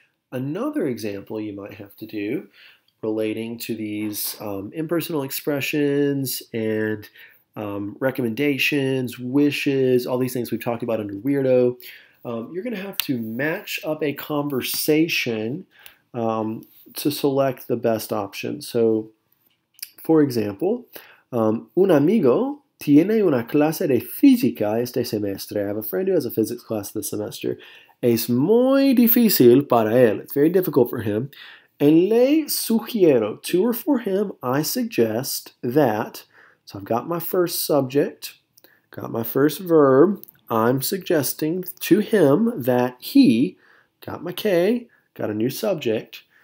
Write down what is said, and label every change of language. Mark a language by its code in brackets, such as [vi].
[en] Another example you might have to do relating to these impersonal expressions and recommendations, wishes, all these things we've talked about under weirdo, you're going to have to match up a conversation to select the best option. So, for example, [es] un amigo tiene una clase de física este semestre. [en] I have a friend who has a physics class this semester. [es] Es muy difícil para él. [en] It's very difficult for him. [es] En le sugiero, [en] to or for him, I suggest that. So I've got my first subject, got my first verb. I'm suggesting to him that he, got my K, got a new subject.